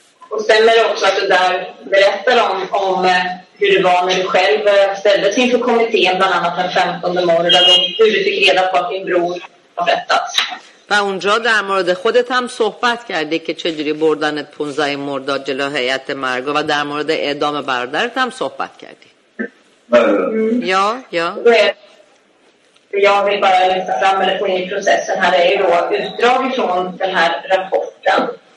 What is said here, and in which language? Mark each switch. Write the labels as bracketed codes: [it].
[sv] و stämmer också att du där berättar om hur det var när du själv ställdes inför kommittén bland annat den 15 mars där du fick reda på att din bror har berättats. [fa] و اونجا در مورد خودت هم صحبت کردی که چجوری بردنت 15 مرداد جلو هیئت مرگ و در مورد اعدام برادرت هم صحبت کردی. بله. یا [sv] jag vill bara lyfta fram eller få in i processen här är ju då utdrag från den här rapporten.